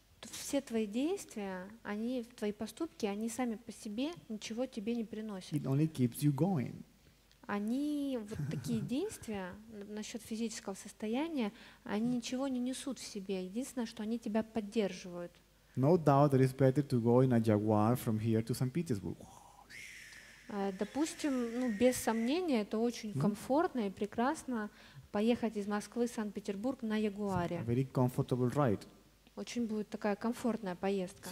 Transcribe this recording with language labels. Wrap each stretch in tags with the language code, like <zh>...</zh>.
<ru>Все твои действия, твои поступки, они сами по себе ничего тебе не приносят.</ru> <en>It only keeps you going.</en> <ru>Они, вот такие действия насчет физического состояния, они ничего не несут в себе. Единственное, что они тебя поддерживают.</ru> <en>No doubt that it's better to go in a Jaguar from here to St. Petersburg.</en> <ru>Допустим, без сомнения, это очень комфортно и прекрасно поехать из Москвы в Санкт-Петербург на Ягуаре.</ru> <en>A very comfortable ride.</en> <ru>Очень будет такая комфортная поездка.</ru>